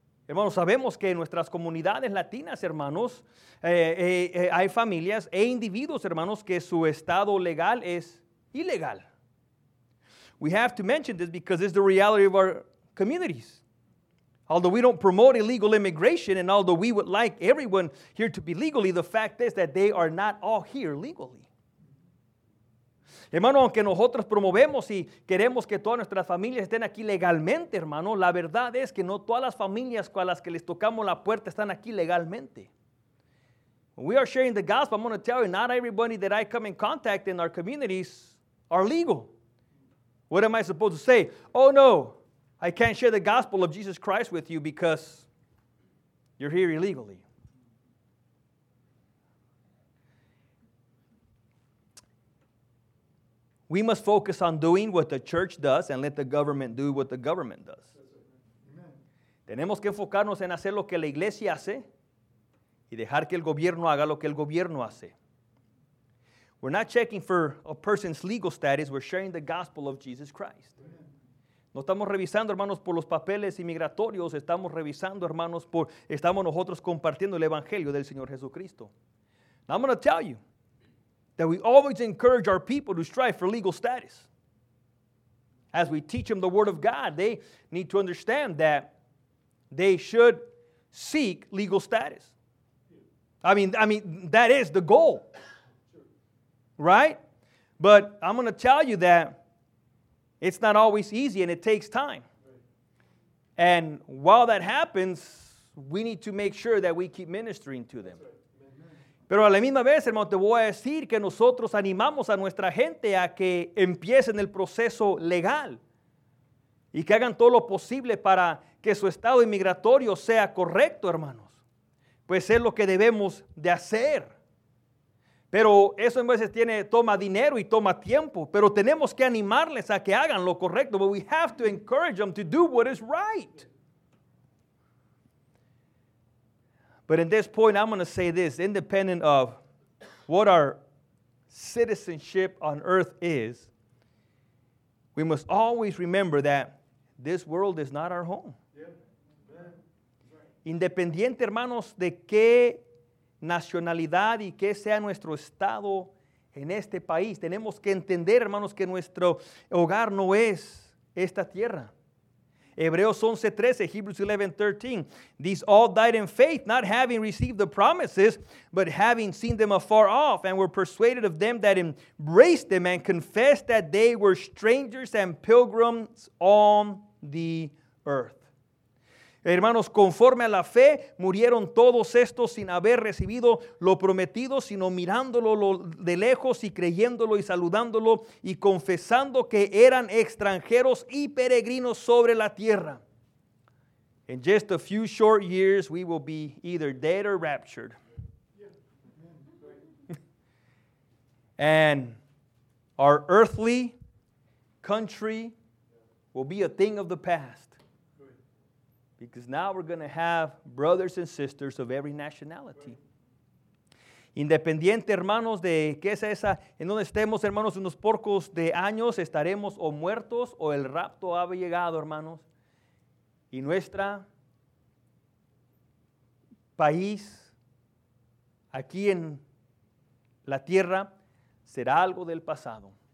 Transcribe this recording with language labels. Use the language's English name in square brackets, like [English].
[Spanish] Hermanos, sabemos que en nuestras comunidades latinas, hermanos, hay familias e individuos, hermanos, que su estado legal es ilegal. [English] We have to mention this because it's the reality of our communities. Although we don't promote illegal immigration, and although we would like everyone here to be legally, the fact is that they are not all here legally. [Spanish] Hermano, aunque nosotros promovemos y queremos que todas nuestras familias estén aquí legalmente, hermano, la verdad es que no todas las familias con las que les tocamos la puerta están aquí legalmente. [English] When we are sharing the gospel, I'm going to tell you, not everybody that I come in contact in our communities are legal. What am I supposed to say? Oh no, I can't share the gospel of Jesus Christ with you because you're here illegally. We must focus on doing what the church does and let the government do what the government does. [Spanish] Tenemos que enfocarnos en hacer lo que la iglesia hace y dejar que el gobierno haga lo que el gobierno hace. [English] We're not checking for a person's legal status. We're sharing the gospel of Jesus Christ. [Spanish] No estamos revisando, hermanos, por los papeles inmigratorios. Estamos revisando, hermanos, por estamos nosotros compartiendo el evangelio del Señor Jesucristo. [English] Now I'm going to tell you that we always encourage our people to strive for legal status. As we teach them the word of God, they need to understand that they should seek legal status. I mean, that is the goal. Right? But I'm going to tell you that it's not always easy and it takes time. And while that happens, we need to make sure that we keep ministering to them. [Spanish] Pero a la misma vez, hermano, te voy a decir que nosotros animamos a nuestra gente a que empiecen el proceso legal y que hagan todo lo posible para que su estado inmigratorio sea correcto, hermanos. Pues es lo que debemos de hacer. Pero eso en veces tiene, toma dinero y toma tiempo. Pero tenemos que animarles a que hagan lo correcto. [English] But we have to encourage them to do what is right. But in this point, I'm going to say this. Independent of what our citizenship on earth is, we must always remember that this world is not our home. [Spanish] Independiente, hermanos, de qué nacionalidad y que sea nuestro estado en este país. Tenemos que entender, hermanos, que nuestro hogar no es esta tierra. Hebreos 11:13, Hebrews 11:13. [English] These all died in faith, not having received the promises, but having seen them afar off, and were persuaded of them that embraced them and confessed that they were strangers and pilgrims on the earth. [Spanish] Hermanos, conforme a la fe, murieron todos estos sin haber recibido lo prometido, sino mirándolo de lejos y creyéndolo y saludándolo y confesando que eran extranjeros y peregrinos sobre la tierra. [English] In just a few short years, we will be either dead or raptured. And our earthly country will be a thing of the past. Because now we're going to have brothers and sisters of every nationality. [Spanish] Independiente, hermanos, de que sea esa, en donde estemos, hermanos, unos pocos de años, estaremos o muertos o el rapto ha llegado, hermanos. Y nuestra país aquí en la tierra será algo del pasado.